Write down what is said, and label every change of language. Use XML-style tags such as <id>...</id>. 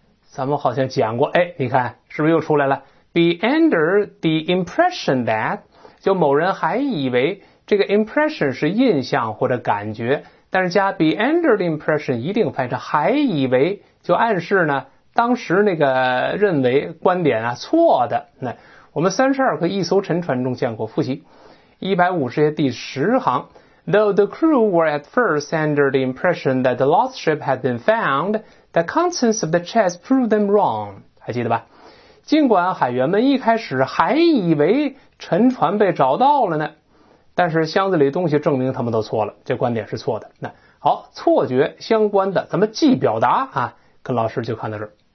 <zh>咱们好像讲过，哎，你看是不是又出来了 ？</zh> <en>Be under the impression that，</en> <zh>就某人还以为，这个 impression 是印象或者感觉，但是加</zh> <en>be under the impression</en> <zh>一定翻译成还以为，就暗示呢当时那个认为观点啊错的。那我们32课一艘沉船中见过复习。150页第10行，</zh> <en>Though the crew were at first under the impression that the lost ship had been found, the contents of the chest proved them wrong.</en> <zh>还记得吧？尽管海员们一开始还以为沉船被找到了呢，但是箱子里东西证明他们都错了，这观点是错的。那好，错觉相关的咱们既表达啊，跟老师就看到这儿。</zh>